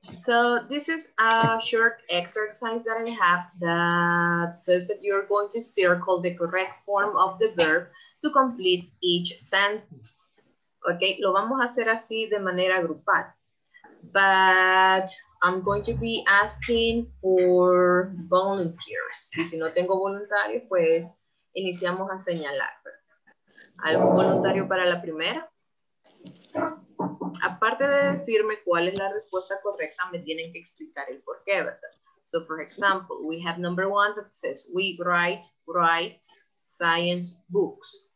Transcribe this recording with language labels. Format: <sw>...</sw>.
<en>So this is a short exercise that I have that says that you're going to circle the correct form of the verb to complete each sentence.</en> <es>Okay, lo vamos a hacer así de manera grupal.</es> <en>But I'm going to be asking for volunteers.</en> <es>Y si no tengo voluntario, pues iniciamos a señalar. ¿Algún voluntario para la primera? Aparte de decirme cuál es la respuesta correcta, me tienen que explicar el porqué, ¿verdad?</es> <en>So, for example, we have number one that says, we write, writes science books.</en>